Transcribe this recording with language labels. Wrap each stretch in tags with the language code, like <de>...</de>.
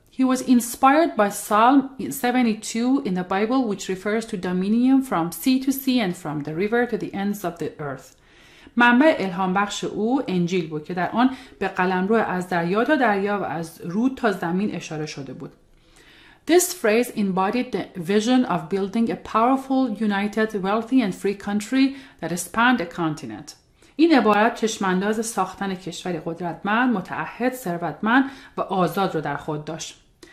<en>He was inspired by Psalm 72 in the Bible, which refers to dominion from sea to sea and from the river to the ends of the earth.</en> <fa>منبع الهام بخش او انجیل بود که در آن به قلمرو از دریا تا دریا و از رود تا زمین اشاره شده بود.</fa> <en>This phrase embodied the vision of building a powerful, united, wealthy and free country that spanned a continent.</en> <fa>این عبارت چشمانداز ساختن کشوری قدرتمند، متعهد، ثروتمند و آزاد را در خود داشت.</fa>